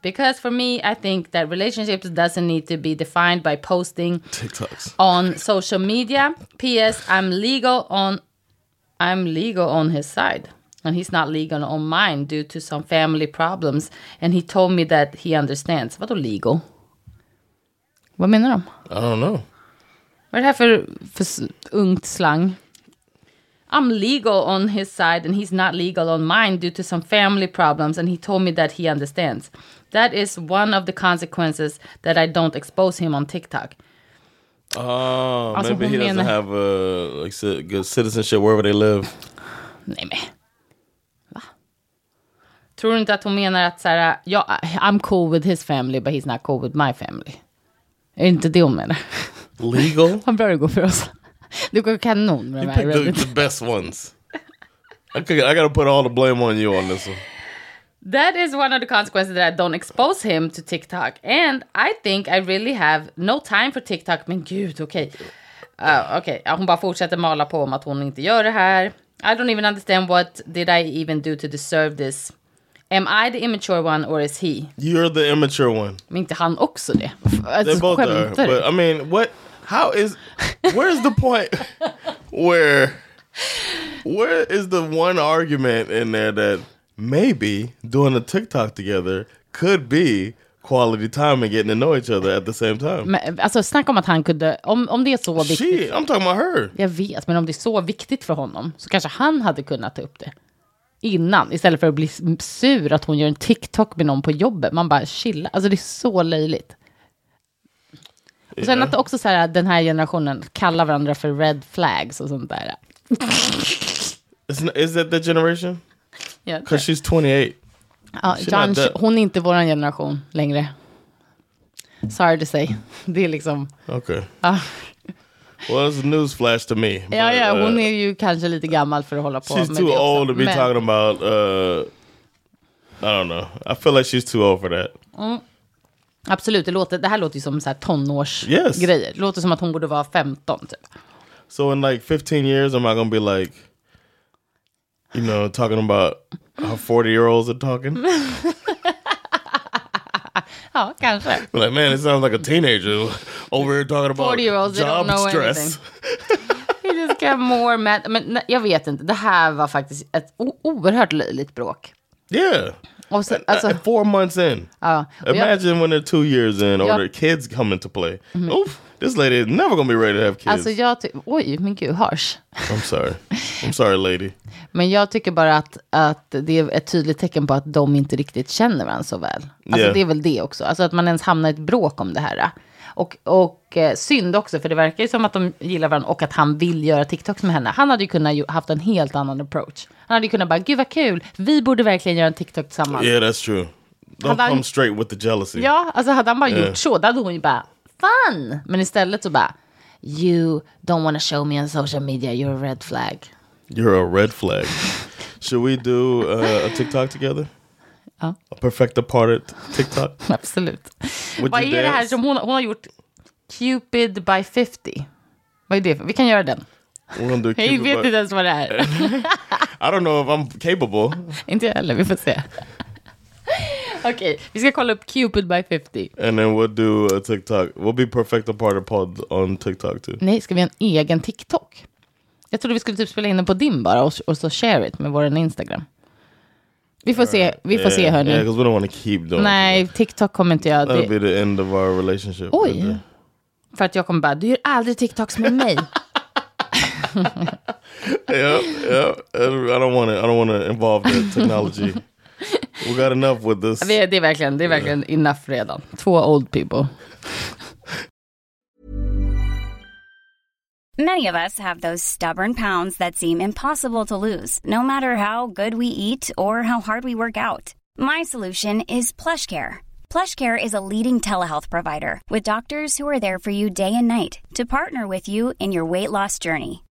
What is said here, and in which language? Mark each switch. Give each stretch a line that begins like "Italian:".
English: Because for me, I think that relationships doesn't need to be defined by posting TikToks on social media. P.S. I'm legal on his side, and he's not legal on mine due to some family problems, and he told me that he understands.
Swedish: Vadå legal? Vad menar de?
English: I don't know.
Swedish: Vad är det här för ungt slang?
English: I'm legal on his side, and he's not legal on mine due to some family problems, and he told me that he understands. That is one of the consequences that I don't expose him on TikTok. Alltså, maybe he doesn't have a like good citizenship wherever they live.
Swedish: Nej men. Va? Tror du inte att hon menar att så här,
English: I'm cool with his family, but he's not cool with my family.
Swedish: Är inte det hon menar? Legal? Han börjar gå för oss. Du går kanon med mig.
English: You picked the best ones. I gotta put all the blame on you on this one. That is one of the consequences that I don't expose him to TikTok. And I think I really have no time for TikTok.
Swedish: Men gud, okej. Okej, okay. Hon bara fortsätter mala på om att hon inte gör det här.
English: I don't even understand what did I even do to deserve this. Am I the immature one or is he? You're the immature one.
Swedish: Men inte han också det.
English: They both are. But I mean, what? How is... Where is the point where... Where is the one argument in there that... Maybe doing a TikTok together could be quality time and getting to know each other at the same time.
Swedish: Men, alltså, snacka om att han kunde... Om det är så viktigt...
English: I'm talking about her.
Swedish: Jag vet, men om det är så viktigt för honom så kanske han hade kunnat ta upp det innan. Istället för att bli sur att hon gör en TikTok med någon på jobbet. Man bara chilla. Alltså det är så löjligt. Och sen att också så här, den här generationen kallar varandra för red flags och sånt där.
English: Is that the generation? Because she's 28.
Swedish: John, hon är inte vår generation längre.
English: Sorry to say.
Swedish: Det är liksom...
English: Okay. Well, it's a newsflash to me.
Swedish: Ja, but, ja, hon är ju kanske lite gammal för att hålla på.
English: She's too old to be talking about... I don't know. I feel like she's too old for that.
Swedish: Mm. Absolut. Det här låter ju som så här tonårsgrejer.
English: Yes.
Swedish: Det låter som att hon borde vara 15, typ.
English: So in like 15 years, am I gonna be like... you know, talking about how 40-year-olds are talking.
Swedish: Oh, kanske.
English: Like, man, it sounds like a teenager over here talking about 40-year-olds, job don't know stress. He just got more mad.
Swedish: Men jag vet inte. Det här var faktiskt ett oerhört löjligt bråk. Yeah. Och sen, alltså,
English: 4 months in. Imagine when they're 2 years in or their kids come into play. Mm-hmm. Oof, this lady is never gonna be ready to have kids.
Swedish: Alltså jag oj, min gud, harsh.
English: I'm sorry, lady.
Swedish: Men jag tycker bara att det är ett tydligt tecken på att de inte riktigt känner varandra så väl. Alltså yeah. Det är väl det också. Alltså att man ens hamnar i ett bråk om det här. Och synd också, för det verkar ju som att de gillar varandra och att han vill göra TikToks med henne. Han hade ju kunnat haft en helt annan approach. Han hade ju kunnat bara, gud vad kul, vi borde verkligen göra en TikTok tillsammans.
English: Yeah, that's true. Don't hade come han, straight with the jealousy.
Swedish: Ja, alltså hade han bara gjort så, då hade hon ju bara, fun! Men istället så bara,
English: you don't want to show me on social media, you're a red flag. You're a red flag. Should we do a TikTok together?
Swedish: Ja.
English: A perfect apartment TikTok.
Swedish: Absolut. Vad är det här som hon har gjort? Cupid by 50. Vad är det? Vi kan göra den. Hej, vet du ens vad det är?
English: I don't know if I'm capable.
Swedish: Inte heller, vi får se. Okej, vi ska kolla upp Cupid by 50.
English: And then we'll do a TikTok. We'll be perfect apartment pod on TikTok too.
Swedish: Nej, ska vi ha en egen TikTok? Jag trodde vi skulle typ spela in den på din bara och så
English: share it
Swedish: med vår Instagram. Vi får se, vi får se hörni.
English: Yeah, because we don't want to keep doing.
Swedish: Nej, TikTok kommer inte jag.
English: That'll be the end of our relationship.
Swedish: Oj. Right, för att jag kommer bara, du gör aldrig TikToks med mig.
English: Yeah. I don't want to involve the technology. We got enough with this.
Swedish: Det är verkligen enough redan.
English: Två old people. Many of us have those stubborn pounds that seem impossible to lose, no matter how good we eat or how hard we work out. My solution is PlushCare. PlushCare is a leading telehealth provider with doctors who are there for you day and night to partner with you in your weight loss journey.